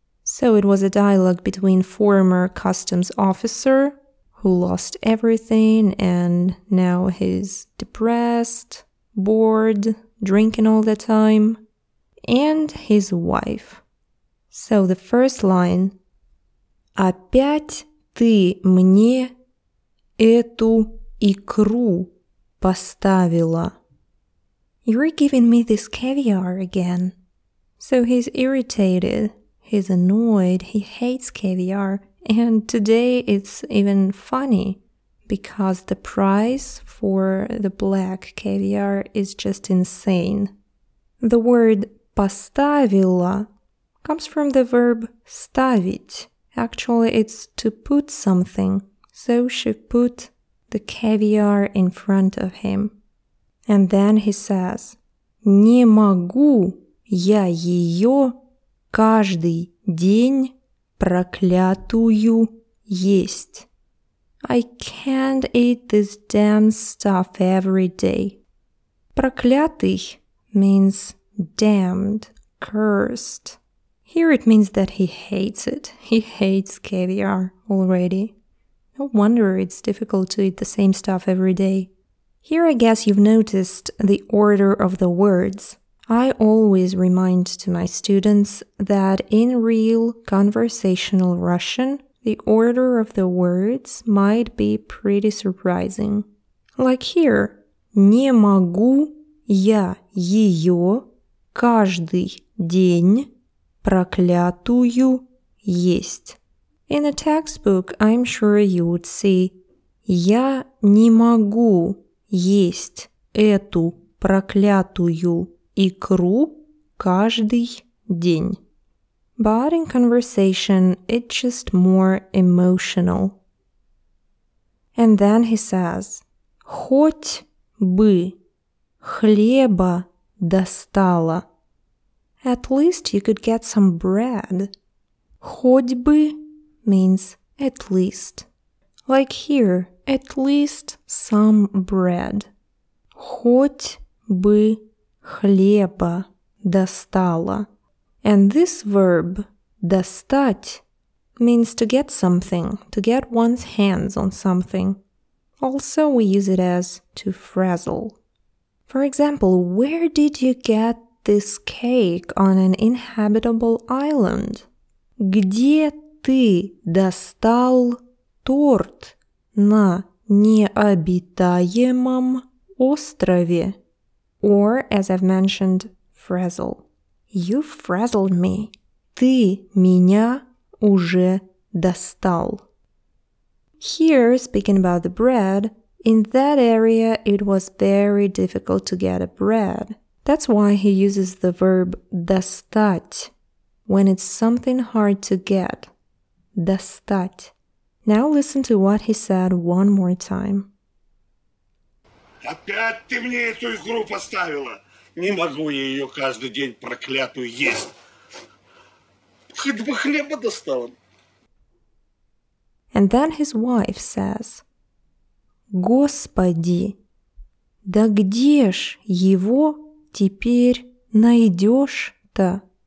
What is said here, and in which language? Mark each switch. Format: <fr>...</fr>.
<en>So it was a dialogue between former customs officer who lost everything and now he's depressed, bored, drinking all the time, and his wife. So the first line,</en> <ru>опять ты мне эту икру поставила.</ru> <en>You're giving me this caviar again. So he's irritated. He's annoyed, he hates caviar, and today it's even funny because the price for the black caviar is just insane. The word поставила comes from the verb ставить. Actually, it's to put something. So she put the caviar in front of him. And then he says,</en> <ru>не могу я ее каждый день проклятую есть.</ru> <en>I can't eat this damn stuff every day. Проклятый means damned, cursed. Here it means that he hates it. He hates caviar already. No wonder it's difficult to eat the same stuff every day. Here I guess you've noticed the order of the words. I always remind to my students that in real conversational Russian, The order of the words might be pretty surprising. Like here,</en> <ru>не могу я ее каждый день проклятую есть.</ru> <en>In a textbook, I'm sure you would see,</en> <ru>я не могу есть эту проклятую икру каждый день.</ru> <en>But in conversation, it's just more emotional. And then he says,</en> <ru>хоть бы хлеба достала.</ru> <en>At least you could get some bread.</en> <ru>Хоть бы</ru> <en>means at least. Like here, at least some bread.</en> <ru>Хоть бы хлеба достала.</ru> <en>And this verb, достать, means to get something, to get one's hands on something. Also, we use it as to frazzle. For example, where did you get this cake on an inhabitable island?</en> <ru>Где ты достал торт на необитаемом острове?</ru> <en>Or, as I've mentioned, frazzle. You frazzled me.</en> <ru>Ты меня уже достал.</ru> <en>Here, speaking about the bread, in that area it was very difficult to get a bread. That's why he uses the verb достать, when it's something hard to get.</en> <ru>Достать.</ru> <en>Now listen to what he said one more time.</en> <ru>Опять ты мне эту игру поставила! Не могу я ее каждый день проклятую есть. Хоть бы хлеба достала.</ru> <en>And then his wife says,</en> <ru>Господи, да где ж его теперь найдешь-то?</ru>